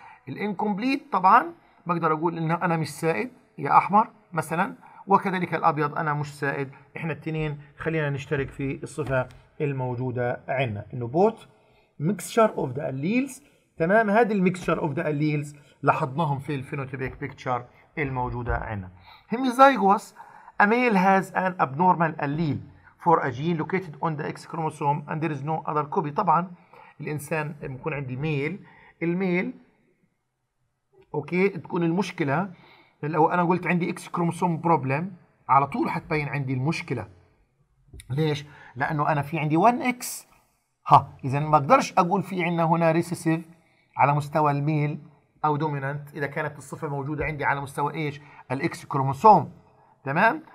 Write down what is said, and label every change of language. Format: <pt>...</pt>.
<ar>الإنكمبليت طبعا بقدر أقول إنه أنا مش سائد يا أحمر مثلا، وكذلك الأبيض أنا مش سائد، إحنا التنين خلينا نشترك في الصفة الموجودة عندنا إنه بوت</ar> <en>mixture of the alleles</en> <ar>تمام. هذه المكسشر of the alleles لاحظناهم في الفينوتيبك بيكتشر الموجودة عندنا.</ar> <en>Hemizygous a male has an abnormal allele for a gene located on the X chromosome and there is no other copy.</en> <ar>طبعا الإنسان يكون عندي ميل، الميل أوكي تكون المشكلة لو أنا قلت عندي X chromosome problem على طول حتبين عندي المشكلة. ليش؟ لأنه أنا في عندي 1X. ها اذا ما اقدرش اقول في عندنا هنا ريسيسيف على مستوى الميل او دوميننت اذا كانت الصفه موجوده عندي على مستوى ايش الاكس كروموسوم تمام.</ar>